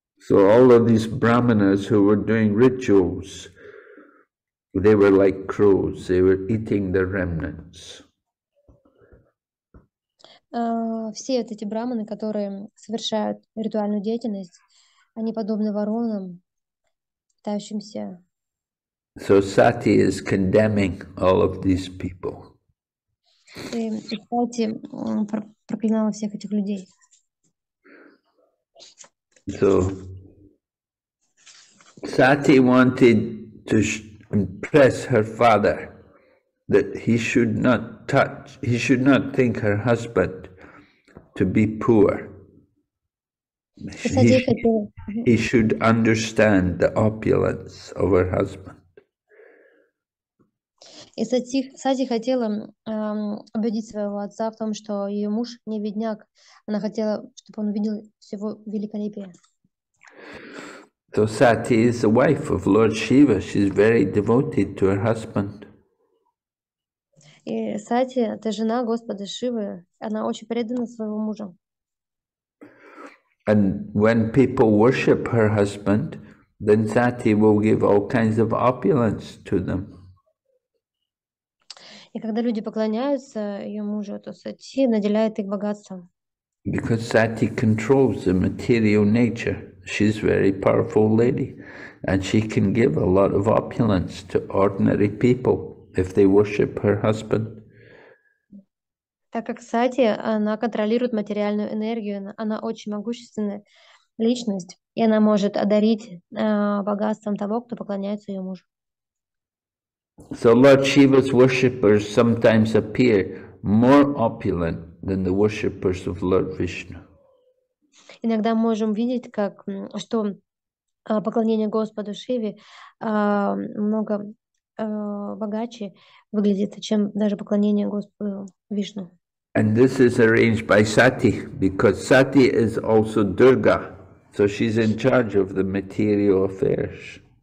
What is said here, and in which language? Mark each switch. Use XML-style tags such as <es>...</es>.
<en>So all of these brahmanas who were doing rituals, they were like crows, they were eating the remnants.</en> <ru>Все вот эти брахманы, которые совершают ритуальную деятельность, они подобны воронам, питающимся.</ru> <en>So Sati is condemning all of these people.</en> <ru>И Сати проклинала всех этих людей.</ru> <en>So Sati wanted to impress her father that he should not think her husband to be poor. He should understand the opulence of her husband.</en> <ru>И Сати хотела убедить своего отца в том, что ее муж не бедняк. Она хотела, чтобы он увидел всего великолепия.</ru> <en>So Sati is the wife of Lord Shiva. She's very devoted to her husband.</en> <ru>И Сати, это жена Господа Шивы, она очень предана своему мужу.</ru> <en>And when people worship her husband, then Sati will give all kinds of opulence to them.</en> <ru>И когда люди поклоняются ее мужу, то Сати наделяет их богатством.</ru> <en>Because Sati controls the material nature. She's a very powerful lady, and she can give a lot of opulence to ordinary people if they worship her husband.</en> <ru>Так как Сати, она контролирует материальную энергию, она очень могущественная личность, и она может одарить богатством того, кто поклоняется ее мужу.</ru> <en>So Lord Shiva's worshippers sometimes appear more opulent than the worshippers of Lord Vishnu.</en> <ru>Иногда можем видеть, как что поклонение Господу Шиве много богаче выглядит, чем даже поклонение Господу Вишну.</ru> <en>And this is arranged by Sati, because Sati is also Durga, so she's in charge of the material affairs.</en>